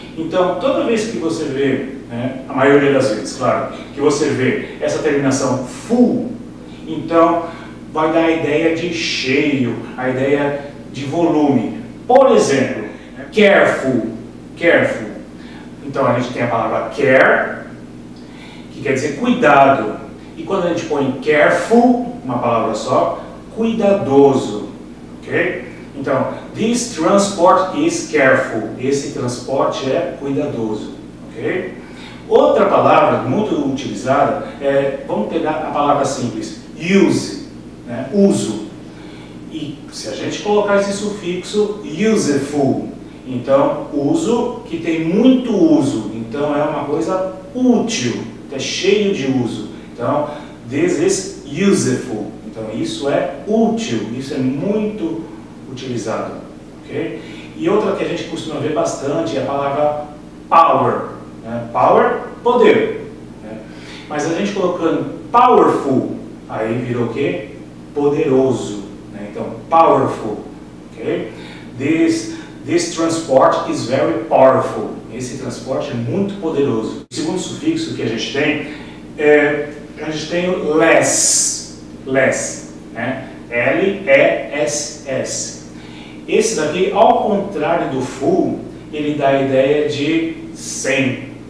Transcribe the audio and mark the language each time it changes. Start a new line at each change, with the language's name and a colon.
Portuguese: Então, toda vez que você vê, né, a maioria das vezes, claro, que você vê essa terminação full, então vai dar a ideia de cheio, a ideia de volume. Por exemplo, careful, careful. Então a gente tem a palavra care, que quer dizer cuidado. E quando a gente põe careful, uma palavra só, cuidadoso. Ok?
English: Então, this transport is careful.
Portuguese: Esse transporte é cuidadoso. Ok? Outra palavra muito utilizada é, vamos pegar a palavra simples, use, né, uso. E se a gente colocar esse sufixo, useful, então uso que tem muito uso, então é uma coisa útil, é cheio de uso. Então,
English: this is useful,
Portuguese: então isso é útil, isso é muito utilizado. Okay? E outra que a gente costuma ver bastante é a palavra power, né? Power, poder. Né? Mas a gente colocando powerful, aí virou o quê? Poderoso. Né? Então, powerful. Okay?
English: This transport is very powerful.
Portuguese: Esse transporte é muito poderoso. O segundo sufixo que a gente tem é, a gente tem o less. Less. Né? L-E-S-S. Esse daqui, ao contrário do full, ele dá a ideia de sem.